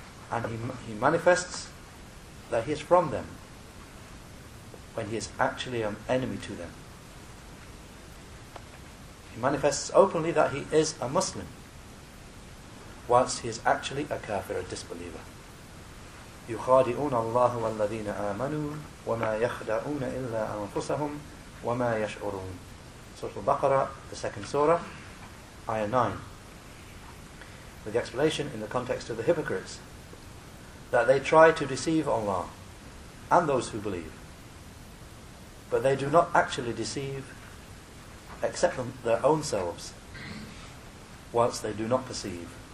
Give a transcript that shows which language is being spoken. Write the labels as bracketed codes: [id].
[en] And he manifests that he is from them, when he is actually an enemy to them. He manifests openly that he is a Muslim, whilst he is actually a kafir, a disbeliever. [ar] يُخَادِعُونَ اللَّهُ وَالَّذِينَ آمَنُوا وَمَا يَخْدَعُونَ إِلَّا أَنفُسَهُمْ وَمَا يَشْعُرُونَ [en] Surah Al-Baqarah, the second surah, ayah 9. With the explanation in the context of the hypocrites, that they try to deceive Allah and those who believe, but they do not actually deceive except their own selves, whilst they do not perceive.